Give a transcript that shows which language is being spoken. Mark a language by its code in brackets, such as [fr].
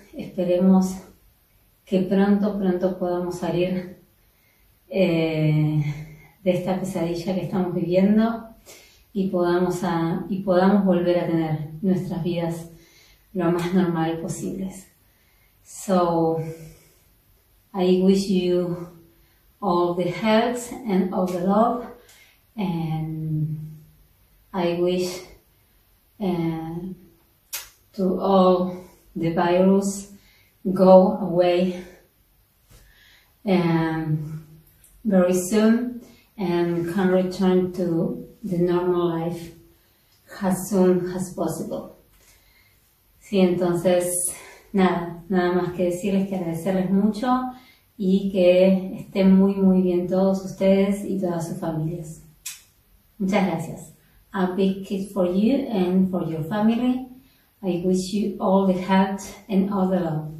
[es] Esperemos que pronto podamos salir de esta pesadilla que estamos viviendo y podamos volver a tener nuestras vidas lo más normal posibles. [en] So, I wish you all the health and all the love, and I wish to all the virus go away very soon and can return to the normal life as soon as possible. [es] Sí, entonces, nada más que decirles que agradecerles mucho y que estén muy muy bien todos ustedes y todas sus familias. Muchas gracias. [en] A big kiss for you and for your family. I wish you all the health and all the love.